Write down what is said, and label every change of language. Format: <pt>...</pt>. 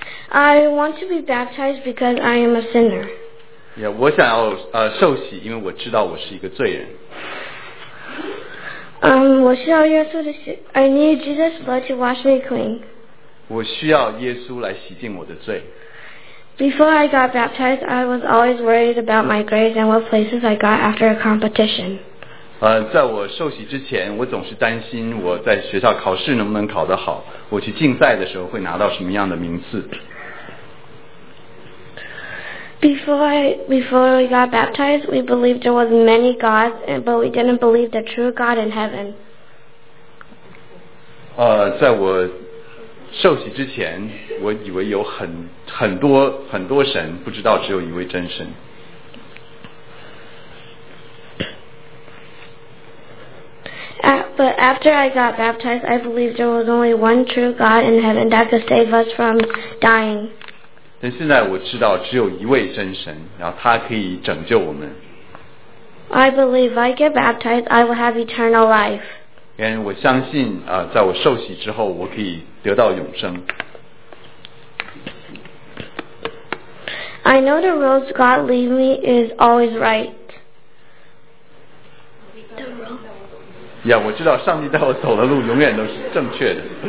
<en>I want to be baptized because I am a sinner.</en> <zh>Yeah, 我想要受洗，因为我知道我是一个罪人。我需要耶稣的洗</zh> <en>I need Jesus' blood to wash me clean.</en> <zh>我需要耶稣来洗净我的罪。</zh> <en>Before I got baptized, I was always worried about my grades and what places I got after a competition.</en> <zh>在我受洗之前，我总是担心我在学校考试能不能考得好，我去竞赛的时候会拿到什么样的名次。</zh> <en>Before we got baptized, we believed there was many gods, but we didn't believe the true God in heaven.</en> <zh>在我受洗之前，我以为有很多神，不知道只有一位真神。</zh> <en>But after I got baptized, I believed there was only one true God in heaven that could save us from dying.</en> <zh>但现在我知道只有一位真神，然后他可以拯救我们。</zh> <en>I believe if I get baptized, I will have eternal life.</en> <zh>因为我相信在我受洗之后，我可以得到永生。</zh> <en>I know the rules God leave me is always right.</en> <zh>Yeah, 我知道上帝带我走的路永远都是正确的。</zh>